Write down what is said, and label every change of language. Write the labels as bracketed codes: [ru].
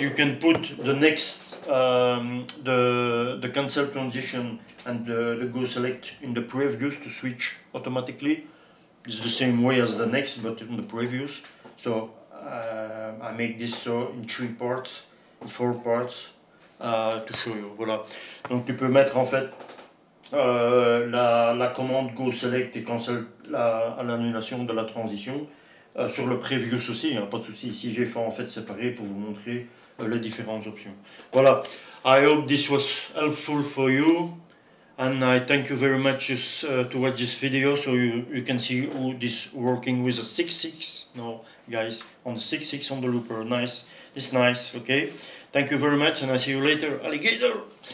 [en] You can put the next the cancel transition and the go select in the previous to switch automatically. It's the same way as the next, but in the previous. So I make this so in three parts, in four parts, to show you. [fr] Voilà. Donc tu peux mettre en fait la commande go select et cancel à l'annulation de la transition sur le previous aussi, hein, pas de souci. Si j'ai fait en fait séparé pour vous montrer les différentes options. [en] Voilà, I hope this was helpful for you, and I thank you very much to watch this video so you can see how this working with a 6-6. No, guys, on the 6-6 on the looper, nice, it's nice, okay. Thank you very much and I see you later, alligator.